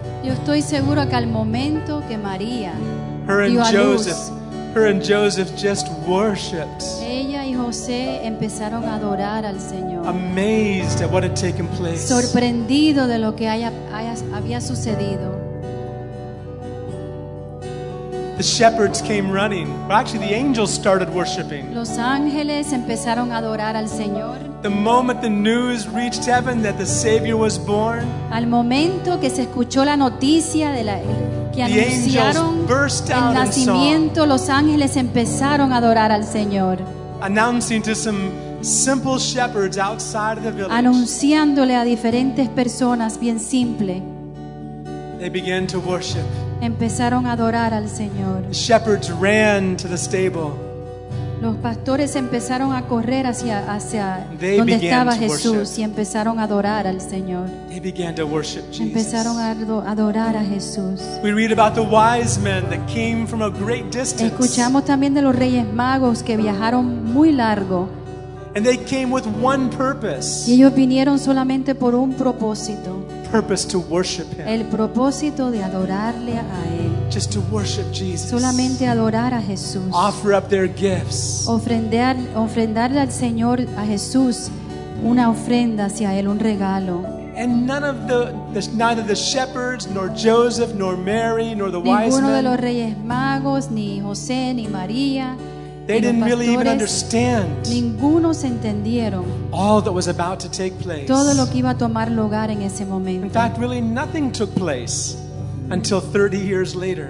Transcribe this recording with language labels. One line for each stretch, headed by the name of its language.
Spanish: yo estoy seguro que al momento que María
English: her and Joseph, her and Joseph just worshipped.
Spanish: Ella y José empezaron a adorar al Señor.
English: Amazed at what had taken place.
Spanish: Sorprendido de lo que había sucedido.
English: The shepherds came running. Well, actually, the angels started worshiping.
Spanish: Los ángeles empezaron a adorar al Señor.
English: The moment the news reached heaven that the Savior was born.
Spanish: Al momento que se escuchó la noticia de la
English: The angels burst out in song.
Spanish: El nacimiento, los ángeles empezaron a adorar al Señor.
English: Announcing to some simple shepherds outside of the village.
Spanish: Anunciándole a diferentes personas, bien simple.
English: They began to worship.
Spanish: Empezaron a adorar al Señor.
English: The shepherds ran to the stable.
Spanish: Los pastores empezaron a correr hacia donde estaba Jesús y empezaron a adorar al Señor.
English: They began to worship Jesus.
Spanish: Empezaron a adorar a Jesús.
English: We read about the wise men that came from a great distance.
Spanish: Escuchamos también de los reyes magos que viajaron muy largo.
English: And they came with one purpose.
Spanish: Y ellos vinieron solamente por un propósito.
English: Purpose to worship him.
Spanish: El propósito de adorarle a él.
English: Just to worship Jesus.
Spanish: Solamente adorar a Jesús.
English: Offer up their gifts.
Spanish: Ofrendarle al Señor a Jesús una ofrenda hacia él, un regalo.
English: And none of neither the shepherds nor Joseph nor Mary nor the wise men.
Spanish: Ninguno de los reyes magos ni José ni María.
English: They didn't really even understand.
Spanish: Ninguno se entendieron.
English: All that was about to take place.
Spanish: Todo lo que iba a tomar lugar en ese momento.
English: In fact, really nothing took place until 30 years later.